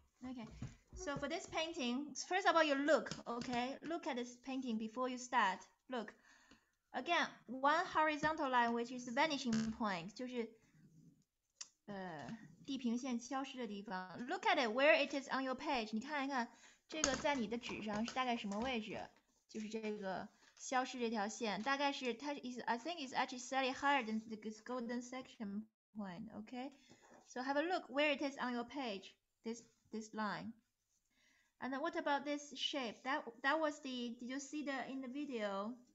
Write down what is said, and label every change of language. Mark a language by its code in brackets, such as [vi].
[en] Okay, so for this painting, first of all, you look, okay? Look at this painting before you start. Look. Again, one horizontal line, which is the vanishing point. [zh] 就是, 地平线消失的地方. [en] Look at it, where it is on your page. [zh] 你看一看, 这个在你的纸上是大概什么位置? 就是这个消失这条线, 大概是, [en] I think it's actually slightly higher than this golden section point, okay? So have a look where it is on your page. This line. And then what about this shape? That was the, did you see the in the video?